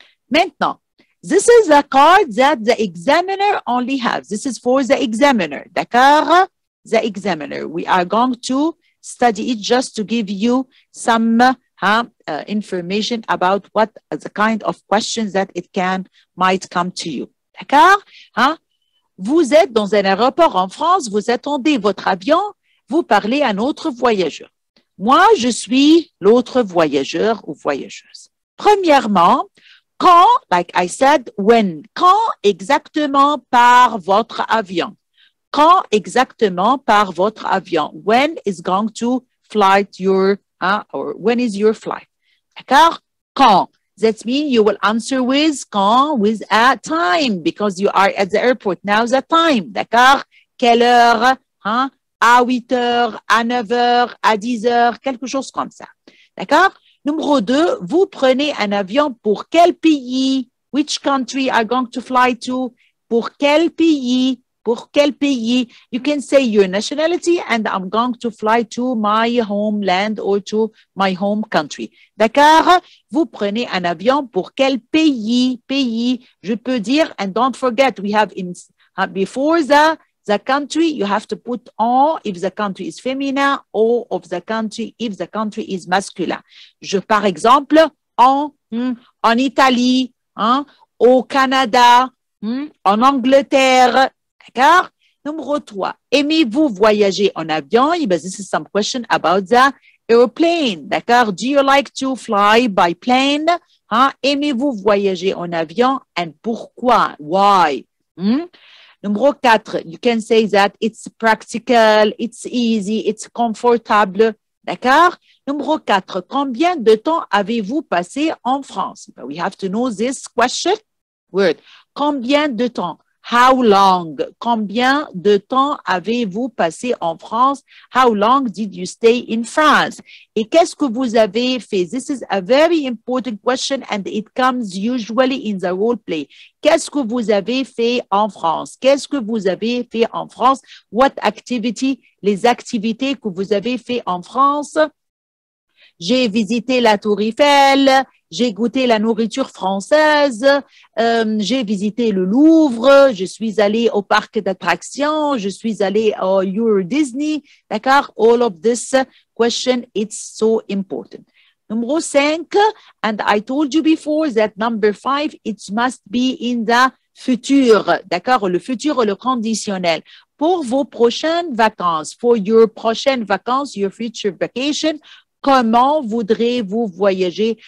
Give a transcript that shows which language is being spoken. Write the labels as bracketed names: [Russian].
[English] Maintenant, this is a card that the examiner only has. This is for the examiner. [French] D'accord? [English] The examiner. We are going to study it just to give you some information about what the kind of questions that it can might come to you. [French] D'accord? Vous êtes dans un aéroport en France, vous attendez votre avion, vous parlez à un autre voyageur. Moi, je suis l'autre voyageur ou voyageuse. Premièrement, quand, [English] like I said, when, [French] quand exactement part votre avion? Quand exactement part votre avion? [English] When is going to fly your, or when is your flight? [French] D'accord? Quand? [English] That means you will answer with quand, with a time, because you are at the airport. Now the time, [French] d'accord? Quelle heure, à 8 heures, à 9 heures, à 10 heures, quelque chose comme ça. D'accord? Numéro 2, vous prenez un avion pour quel pays? [English] Which country are you going to fly to? [French] Pour quel pays? Pour quel pays? [English] You can say your nationality and I'm going to fly to my homeland or to my home country. [French] D'accord? Vous prenez un avion pour quel pays? Pays, je peux dire, [English] and don't forget, we have in before the country, you have to put on if the country is feminine or of the country if the country is masculine. [French] Je, par exemple, en Italie, au Canada, en Angleterre. D'accord? Numéro 3, aimez-vous voyager en avion? [English] But this is some question about the airplane, [French] d'accord? [English] Do you like to fly by plane? [French] Hein? Aimez-vous voyager en avion? [English] And pourquoi? Why? Hmm? Numéro 4, you can say that it's practical, it's easy, it's comfortable, [French] d'accord? Numéro 4, combien de temps avez-vous passé en France? [English] But we have to know this question word. [French] Combien de temps? [English] How long? [French] Combien de temps avez-vous passé en France? [English] How long did you stay in France? [French] Et qu'est-ce que vous avez fait? [English] This is a very important question and it comes usually in the role play. [French] Qu'est-ce que vous avez fait en France? Qu'est-ce que vous avez fait en France? [English] What activity? [French] Les activités que vous avez fait en France? J'ai visité la Tour Eiffel. J'ai goûté la nourriture française, j'ai visité le Louvre, je suis allée au parc d'attractions, je suis allée au Euro Disney, d'accord? [English] All of this question, it's so important. Numéro 5, and I told you before that number 5, it must be in the futur, [French] d'accord? Le futur, le conditionnel. Pour vos prochaines vacances, [English] for your [French] prochaines vacances, [English] your future vacation, [French] comment voudrez-vous voyager?